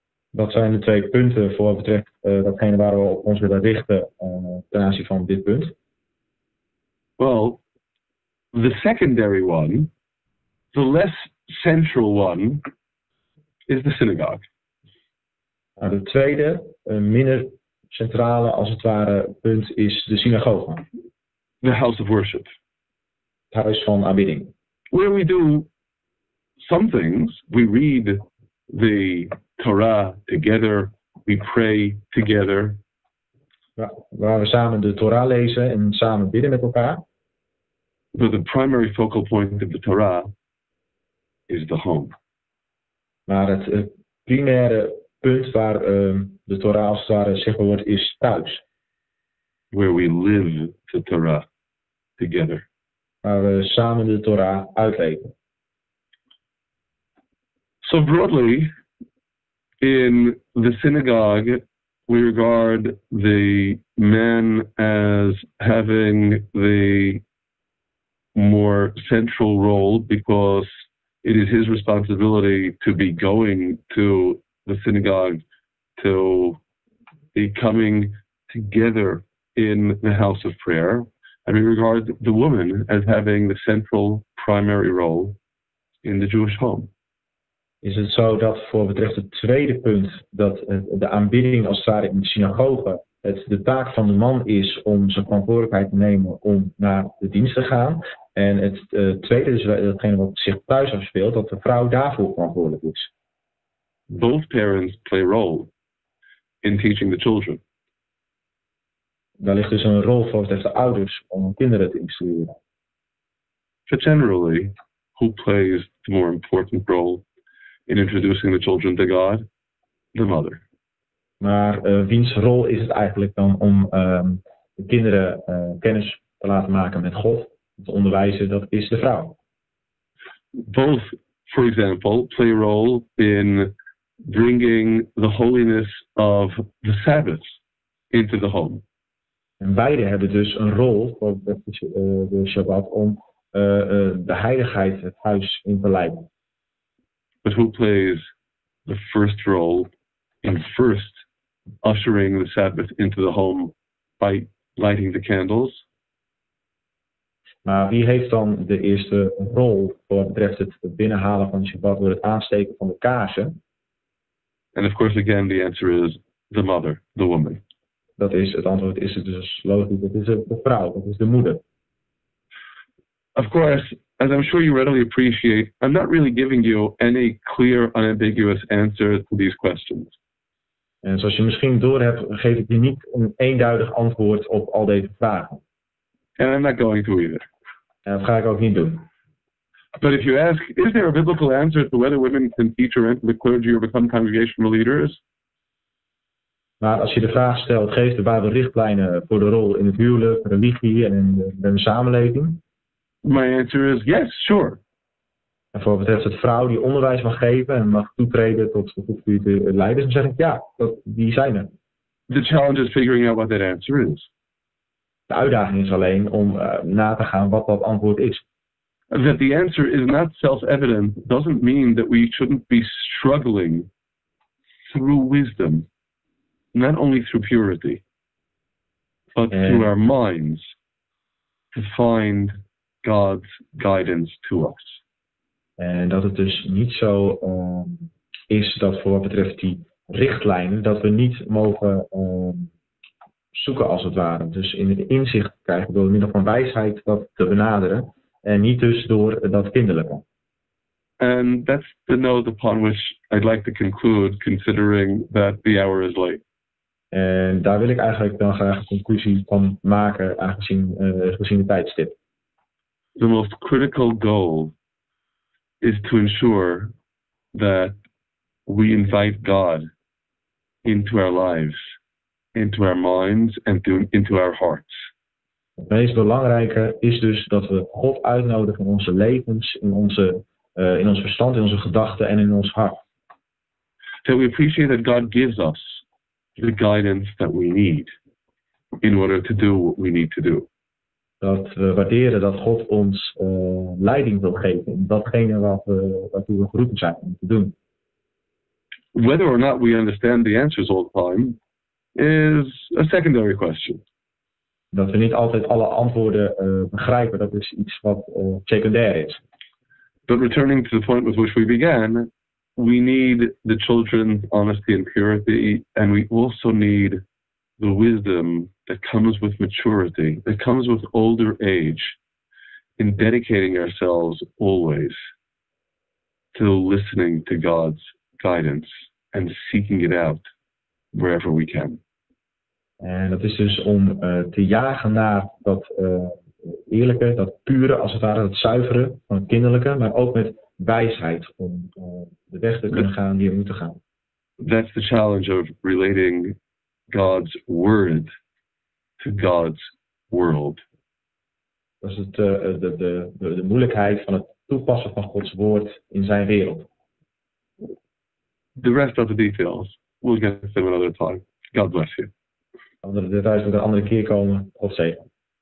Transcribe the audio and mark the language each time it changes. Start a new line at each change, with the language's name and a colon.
Dutch: Wat zijn de twee punten voor wat betreft datgene waar we ons willen richten ten aanzien van dit punt?
English: Well, the secondary one, the less central one, is the synagogue.
Dutch: Nou, de tweede, minder centrale als het ware punt, is de synagoge.
English: The house of worship.
Dutch: Het huis van aanbidding.
English: Where we do some things, we read the Torah together, we pray together.
Dutch: Ja, waar we samen de Torah lezen en samen bidden met elkaar.
English: But the primary focal point of the Torah is the home.
Dutch: Maar het primaire punt waar de Torah als het ware zichtbaar wordt is thuis.
English: Where we live the Torah together.
Dutch: Waar we samen de Torah uitleven.
English: So broadly, in the synagogue, we regard the man as having the more central role because it is his responsibility to be going to the synagogue, to be coming together in the house of prayer. And we regard the woman as having the central primary role in the Jewish home.
Dutch: Is het zo dat voor betreft het tweede punt, dat de aanbidding als ware in de synagoge, het de taak van de man is om zijn verantwoordelijkheid te nemen om naar de dienst te gaan? En het tweede is datgene wat zich thuis afspeelt, dat de vrouw daarvoor verantwoordelijk is.
English: Both parents play a role in teaching the children.
Dutch: Daar ligt dus een rol voor de ouders om hun kinderen te instrueren.
English: But generally, who plays the more important role in introducing the children to God? The mother.
Dutch: Maar wiens rol is het eigenlijk dan om de kinderen kennis te laten maken met God? Het onderwijzen, dat is de vrouw.
English: Both, for example, play a role in bringing the holiness of the Sabbath into the home.
Dutch: En beide hebben dus een rol voor de Shabbat om de heiligheid het huis in te leiden.
English: But who plays the first role in first ushering the Sabbath into the home by lighting the candles?
Dutch: Maar wie heeft dan de eerste rol voor wat betreft het binnenhalen van de Shabbat door het aansteken van de kaarsen?
English: And of course again the answer is the mother, the woman.
Dutch: Dat is het antwoord, is het dus logisch, dat is de vrouw, dat is de moeder.
English: Of course, as I'm sure you readily appreciate, I'm not really giving you any clear, unambiguous answer to these questions.
Dutch: En zoals je misschien doorhebt, geef ik je niet een eenduidig antwoord op al deze vragen.
English: And I'm not going to either.
Dutch: En dat ga ik ook niet doen.
English: But if you ask, is there a biblical answer to whether women can teach or enter the clergy or become congregational leaders?
Dutch: Maar als je de vraag stelt, geeft de Bijbel richtlijnen voor de rol in het huwelijk, religie en in de samenleving?
English: My answer is yes, sure.
Dutch: En voor wat betreft het vrouw die onderwijs mag geven en mag toetreden tot de leiders, dan zeg ik ja, die zijn er.
English: The challenge is figuring out what that answer is.
Dutch: De uitdaging is alleen om na te gaan wat dat antwoord is.
English: That the answer is not self-evident doesn't mean that we shouldn't be struggling through wisdom, not only through purity, but through our minds to find God's guidance to us.
Dutch: En dat het dus niet zo is dat voor wat betreft die richtlijnen, dat we niet mogen zoeken als het ware. Dus in het inzicht krijgen door middel van wijsheid dat te benaderen. En niet dus door dat kinderlijke.
English: And that's the note upon which I'd like to conclude, considering that the hour is late.
Dutch: En daar wil ik eigenlijk dan graag een conclusie van maken, aangezien gezien de tijdstip.
English: The most critical goal is to ensure that we invite God into our lives, into our minds, and into our hearts.
Dutch: Het meest belangrijke is dus dat we God uitnodigen in onze levens, in ons verstand, in onze gedachten en in ons hart.
English: So we appreciate that God gives us the guidance that we need in order to do what we need to do.
Dutch: Dat we waarderen dat God ons leiding wil geven in datgene waartoe we geroepen zijn om te doen.
English: Whether or not we understand the answers all the time is a secondary question.
Dutch: Dat we niet altijd alle antwoorden begrijpen, dat is iets wat secundair is.
English: But returning to the point with which we began, we need the children's honesty and purity, and we also need the wisdom that comes with maturity, that comes with older age, in dedicating ourselves always to listening to God's guidance and seeking it out wherever we can.
Dutch: En dat is dus om te jagen naar dat eerlijke, dat pure, als het ware, dat zuivere van het kinderlijke, maar ook met wijsheid om de weg te kunnen gaan die we moeten gaan.
English: That's the challenge of relating God's word to God's world.
Dutch: Dat is de moeilijkheid van het toepassen van Gods woord in zijn wereld.
English: The rest of the details, we'll get them another time. God bless you.
Dutch: Andere details moeten een andere keer komen. God zegen.